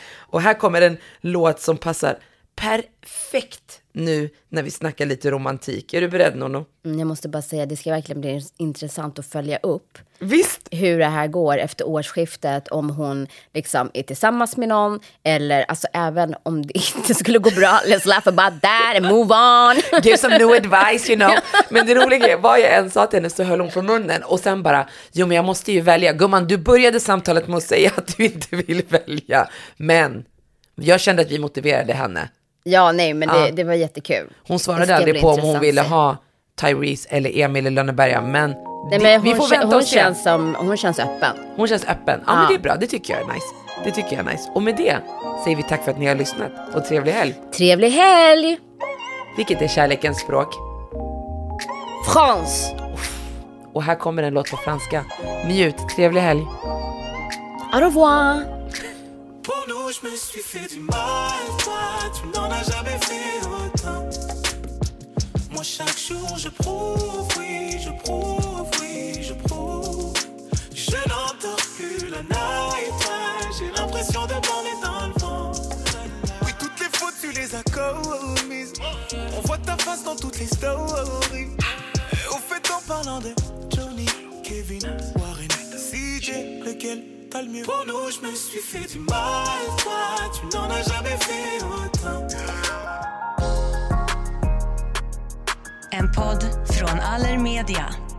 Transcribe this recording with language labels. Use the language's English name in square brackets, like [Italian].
[Swedish] Och här kommer en låt som passar perfekt nu när vi snackar lite romantik. Är du beredd, Nono? Jag måste bara säga att det ska verkligen bli intressant att följa upp. Visst! Hur det här går efter årsskiftet. Om hon liksom är tillsammans med någon. Eller alltså även om det inte skulle gå bra. [English] Let's laugh about that and move on. Give some new advice, you know. [Swedish] Men det roliga är, vad jag än sa till henne så höll hon från munnen. Och sen bara, jo men jag måste ju välja. Gumman, du började samtalet med att säga att du inte vill välja. Men jag kände att vi motiverade henne. Ja, nej, men det var jättekul. Hon svarade aldrig på om hon ville ha Tyrese eller Emil i Lönneberga, men, nej, men vi får vänta och se. Hon känns öppen. Hon känns öppen. Ja, men det är bra. Det tycker jag är nice. Det tycker jag är nice. Och med det säger vi tack för att ni har lyssnat. Och trevlig helg. Trevlig helg! Vilket är kärlekens språk? [English] France! [Swedish] Och här kommer en låt på franska. Njut. Trevlig helg. [French] Au revoir! Pour nous, je me suis fait du mal, toi, tu n'en as jamais fait autant. Moi, chaque jour, je prouve, oui, je prouve, oui, je prouve. Je n'entends plus la night, j'ai l'impression de parler dans le vent. Oui, toutes les fautes, tu les as commises. On voit ta face dans toutes les stories. Et au fait, en parlant de Johnny, Kevin, Warren, CJ, lequel t'as le mieux. Pour nous, je me suis fait du mal, toi, tu n'en as jamais fait autant. [Swedish] En podd från Allermedia.